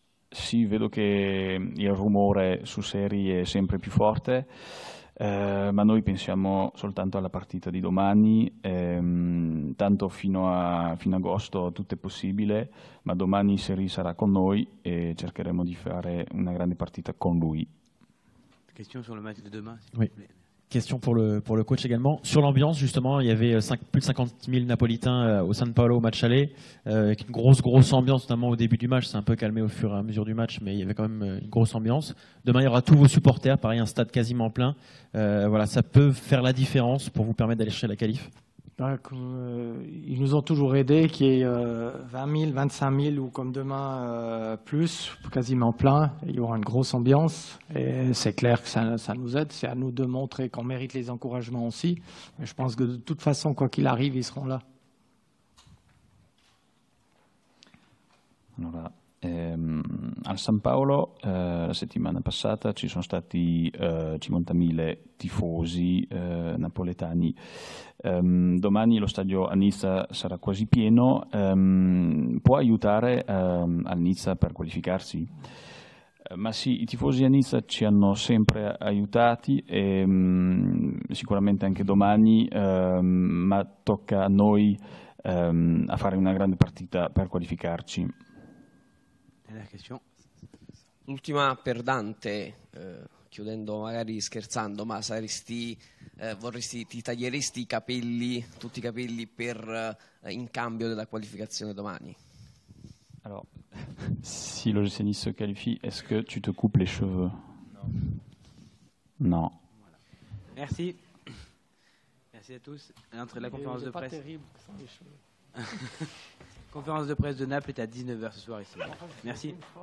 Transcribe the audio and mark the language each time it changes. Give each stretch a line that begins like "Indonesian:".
Italian: Sì, vedo che il rumore su Seri è sempre più forte, ma noi pensiamo soltanto alla partita di domani, tanto fino a agosto tutto è possibile, ma domani Seri sarà con noi e cercheremo di fare una grande partita con lui.
French: Question sur le match de demain, s'il vous plaît. Question pour le coach également. Sur l'ambiance, justement, il y avait plus de 50 000 Napolitains au San Paolo au match aller, avec une grosse, grosse ambiance, notamment au début du match. C'est un peu calmé au fur et à mesure du match, mais il y avait quand même une grosse ambiance. Demain, il y aura tous vos supporters, pareil, un stade quasiment plein. Voilà, ça peut faire la différence pour vous permettre d'aller chercher la qualif. Ils nous ont toujours aidés, qu'il y ait 20 000, 25 000 ou comme demain plus, quasiment plein. Il y aura une grosse ambiance et c'est clair que ça nous aide. C'est à nous de montrer qu'on mérite les encouragements aussi. Mais je pense que de toute façon, quoi qu'il arrive, ils seront là. Voilà.
Italian: A San Paolo la settimana passata ci sono stati 50.000 tifosi napoletani, domani lo stadio a Nizza sarà quasi pieno, può aiutare a Nizza per qualificarsi? Ma sì, i tifosi a Nizza ci hanno sempre aiutati e sicuramente anche domani, ma tocca a noi a fare una grande partita per qualificarci. L'ultima per Dante, chiudendo magari scherzando, ma ti taglieresti tutti i capelli per in cambio della qualificazione domani? Allora, se lo
French: GC Nice qualifie, est-ce que tu te coupes les cheveux? No. Merci. Merci à tous. Entre la conférence de presse. C'est pas terrible sans les cheveux. Conférence de presse de Naples est à 19h ce soir ici. Merci.